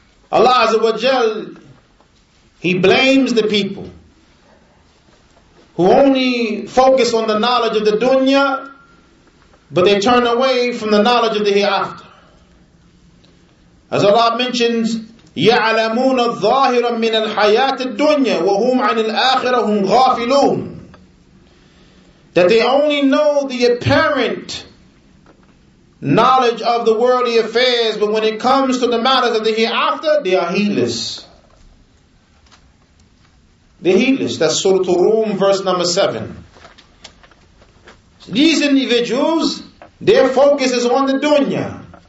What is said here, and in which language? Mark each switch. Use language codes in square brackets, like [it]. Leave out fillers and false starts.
[en] Allah Azza wa Jal, He blames the people who only focus on the knowledge of the dunya, but they turn away from the knowledge of the hereafter. As Allah mentions, [ar] يَعْلَمُونَ الظَّاهِرًا مِنَ الْحَيَاةِ الدُّنْيَا وَهُمْ عَنِ الْآخِرَةِ هُمْ غَافِلُونَ. [en] That they only know the apparent knowledge of the worldly affairs, but when it comes to the matters of the hereafter, they are heedless. They're heedless. That's Surah Ar-Rum, verse number 7. So these individuals, their focus is on the dunya.